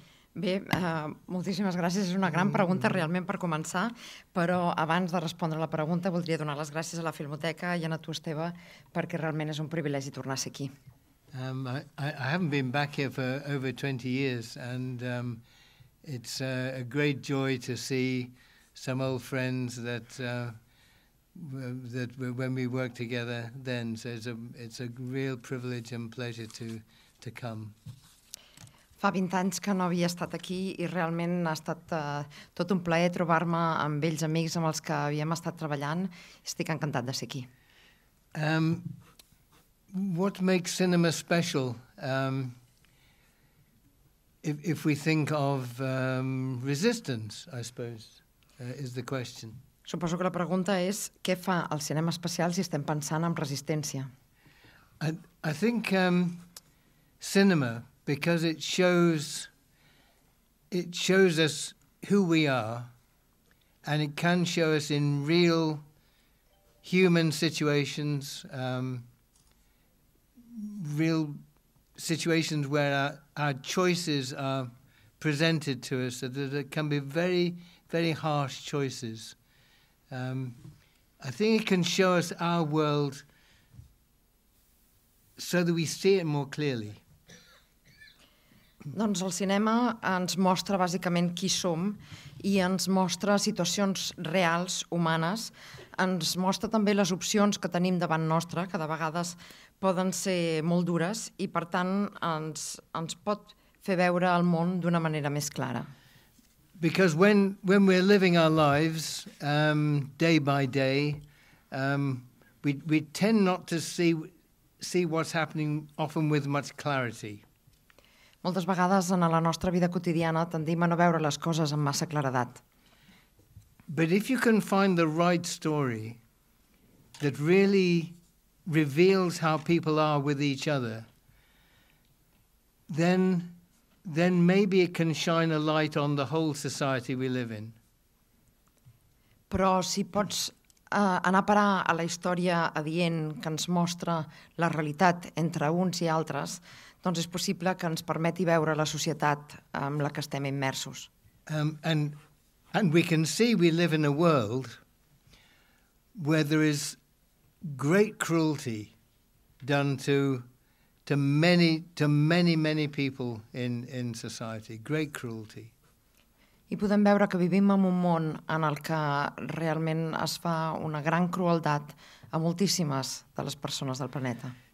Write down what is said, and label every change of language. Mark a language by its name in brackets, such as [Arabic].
[Catalan] Bé, moltíssimes gràcies. És una gran pregunta realment per començar, però abans de respondre la pregunta voldria donar les gràcies a la Filmoteca i a tu, Esteve, perquè realment és un privilegi tornar a ser aquí. [English] I haven't been back here for over 20 years, and it's a great joy to see some old friends that when we worked together then. So it's a real privilege and pleasure to come. [Catalan] Fa 20 anys que no havia estat aquí, i realment ha estat tot un plaer trobar-me amb vells amics amb els que havíem estat treballant. Estic encantat de ser aquí. [English] What makes cinema special? If we think of resistance, I suppose, is the question. [Catalan] Suposo que la pregunta és què fa el cinema especial si estem pensant en resistència. [English] I think cinema, because it shows us who we are, and it can show us in real human situations, real situations where our choices are presented to us, that it can be very, very harsh choices. I think it can show us our world so that we see it more clearly. [Catalan] Doncs el cinema ens mostra bàsicament qui som, i ens mostra situacions reals, humanes. Ens mostra també les opcions que tenim davant nostre, que de vegades poden ser molt dures, i per tant ens pot fer veure el món d'una manera més clara. [English] Because when we're living our lives day by day, we tend not to see what's happening often with much clarity. [Catalan] Moltes vegades en la nostra vida quotidiana tendim a no veure les coses amb massa claredat. [English] But if you can find the right story that really reveals how people are with each other, then maybe it can shine a light on the whole society we live in. [Catalan] Però si pots anar a parar a la història adient que ens mostra la realitat entre uns i altres, doncs és possible que ens permeti veure la societat amb la que estem immersos. [English] And And we can see we live in a world where there is great cruelty done to many people in society. Great cruelty. [Catalan] I podem veure que vivim en un món en el que realment es fa una gran crueltat a moltíssimes de les persones del planeta.